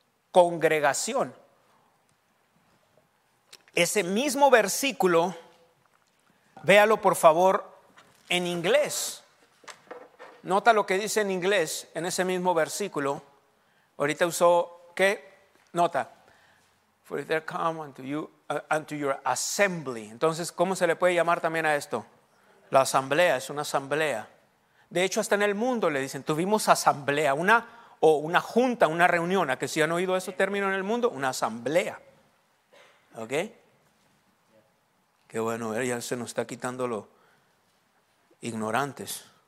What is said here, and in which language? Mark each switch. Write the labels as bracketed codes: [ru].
[es] Congregación. Ese mismo versículo, véalo por favor en inglés. Nota lo que dice en inglés en ese mismo versículo. Ahorita usó, ¿qué? Nota. [en] For if there come unto you, unto your assembly. [es] Entonces, ¿cómo se le puede llamar también a esto? La asamblea, es una asamblea. De hecho, hasta en el mundo le dicen, tuvimos asamblea, una junta, una reunión. ¿A que si han oído ese término en el mundo? Una asamblea. ¿Ok? Qué bueno, ya se nos está quitando los ignorantes.